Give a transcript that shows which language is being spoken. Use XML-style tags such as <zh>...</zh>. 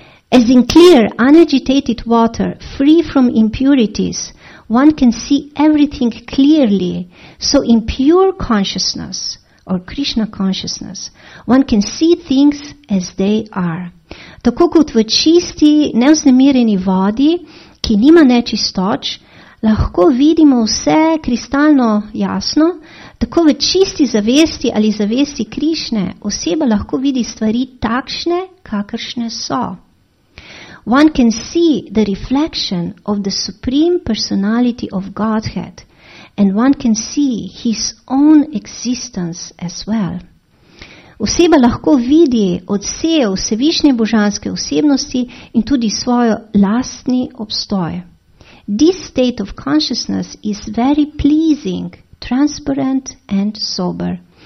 <en>As in clear, unagitated water, free from impurities, one can see everything clearly, so in pure consciousness, or Krishna consciousness, one can see things as they are.</en> <sl>Tako kot v čisti, nevznemirjeni vodi, ki nima nečistoč, lahko vidimo vse kristalno jasno, tako v čisti zavesti ali zavesti Krišne oseba lahko vidi stvari takšne, kakršne so.</sl> <en>One can see the reflection of the supreme personality of Godhead and one can see his own existence as well.</en> <sl>Oseba lahko vidi odsev vsevišnje božanske osebnosti in tudi svojo lastni obstoj.</sl> <en>This state of consciousness is very pleasing, transparent and sober.</en>